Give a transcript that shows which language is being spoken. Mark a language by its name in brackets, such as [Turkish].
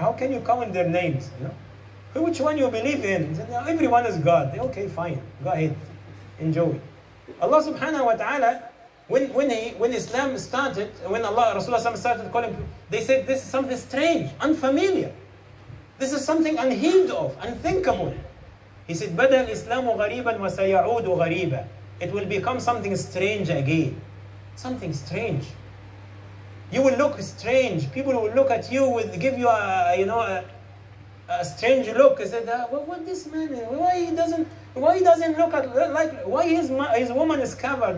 [English] How can you count their names? Which one you believe in? Everyone is God. Okay, fine. Go ahead. Enjoy. Allah subhanahu wa ta'ala When Islam started, when Allah Rasulullah started calling people, they said this is something strange, unfamiliar. This is something unheard of, unthinkable. [Arabic] He said, بَدَى الْإِسْلَامُ غَرِيبًا وَسَيَعُودُ غَرِيبًا. [English] It will become something strange again. Something strange. You will look strange. People will look at you with, give you a strange look. He said, what this man is? Why he doesn't look at, like, why his woman is covered?